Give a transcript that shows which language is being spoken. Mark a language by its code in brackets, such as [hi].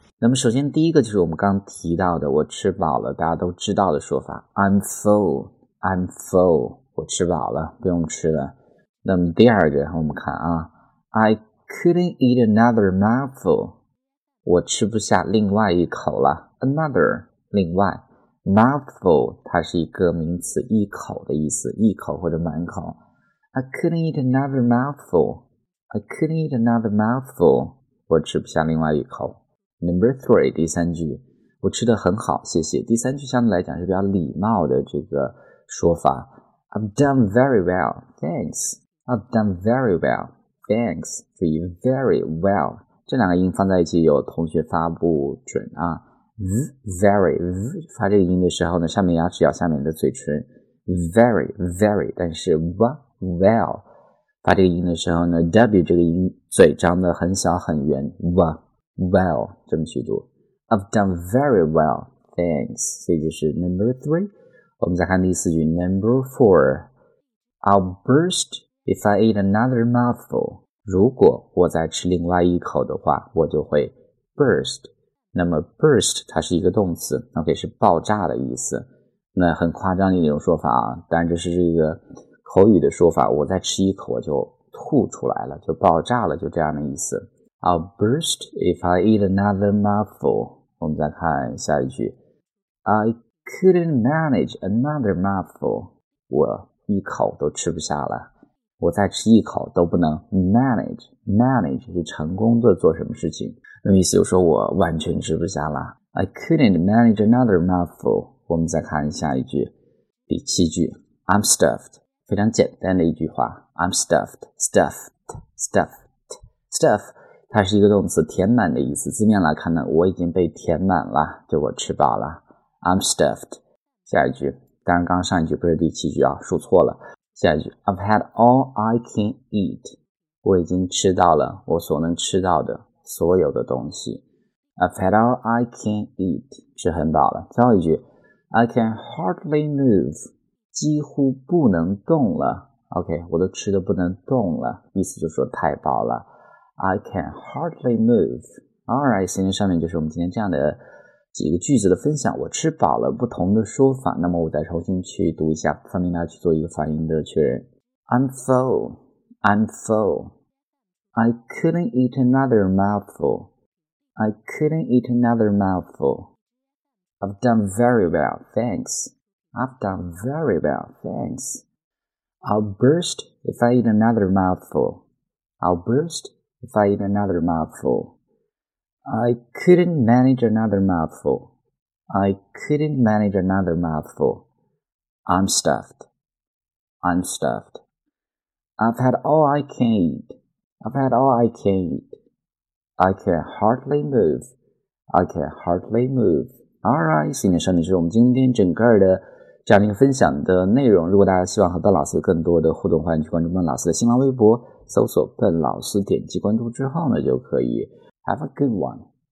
[zh] 那么首先第一个就是我们刚提到的我吃饱了，大家都知道的说法 [en] I'm full， I'm full， [zh] 我吃饱了，不用吃了。那么第二个我们看啊， [en] I couldn't eat another mouthful， [zh] 我吃不下另外一口了。 another 另外， mouthful 它是一个名词，一口的意思，一口或者满口。 [en] I couldn't eat another mouthful， I couldn't eat another mouthful， [zh] 我吃不下另外一口。 [en] Number three， [zh] 第三句，我吃得很好，谢谢。第三句相对来讲是比较礼貌的这个说法。 [en] I've done very well, thanks. I've done very well, thanks. [zh] 注意 very well 这两个音放在一起，有同学发不准啊。 Very， 发这个音的时候呢，上面牙齿咬下面的嘴唇。 Very， very， 但是 well 发这个音的时候呢 ，w 这个音嘴张得很小很圆。 Well， 这么去读。 [en] I've done very well, thanks. [zh] 所以就是 [en] number three. [zh] 我们再看第四句 ， [en] number four. I'll burst if I eat another mouthful. [zh] 如果我再吃另外一口的话，我就会 burst。那么 burst 它是一个动词 ，OK 是爆炸的意思。那很夸张的一种说法啊，当然这是一个口语的说法。我再吃一口，我就吐出来了，就爆炸了，就这样的意思。 [en] I'll burst if I eat another mouthful. [zh] 我们再看下一句。 [en] I couldn't manage another mouthful. [zh] 我一口都吃不下了。我再吃一口都不能 manage. Manage 是成功的做什么事情。那么意思就是说我完全吃不下了。 [en] I couldn't manage another mouthful. [zh] 我们再看下一句。第七句。 [en] I'm stuffed. [zh] 非常简单的一句话。 [en] I'm stuffed. Stuffed. Stuffed. Stuffed. [zh] 它是一个动词，填满的意思。字面来看呢，我已经被填满了，就我吃饱了。 [en] I'm stuffed。 [zh] 下一句，当然刚上一句不是第七句啊，数错了。下一句 [en] ，I've had all I can eat。 [zh] 我已经吃到了我所能吃到的所有的东西。 [en] I've had all I can eat， [zh] 吃很饱了。最后一句 ， [en] I can hardly move， [zh] 几乎不能动了。 OK， 我都吃的不能动了，意思就是说太饱了。 [en] I can hardly move. [zh] Alright, 今天上面就是我们今天这样的几个句子的分享，我吃饱了不同的说法，那么我再重新去读一下，方便大家去做一个发音的确认。 [en] I'm full, I'm full. I couldn't eat another mouthful, I couldn't eat another mouthful. I've done very well, thanks. I've done very well, thanks. I'll burst if I eat another mouthful, I'll burstIf I eat another mouthful, I couldn't manage another mouthful, I couldn't manage another mouthful, I'm stuffed, I'm stuffed, I've had all I can eat, I've had all I can eat, I can hardly move, I can hardly move. [zh] Alright, 今天上面是我们今天整个的这样一个分享的内容，如果大家希望和笨老师有更多的互动，欢迎去关注笨老师的新浪微博，搜索笨老师，点击关注之后呢，就可以。 [en] Have a good one。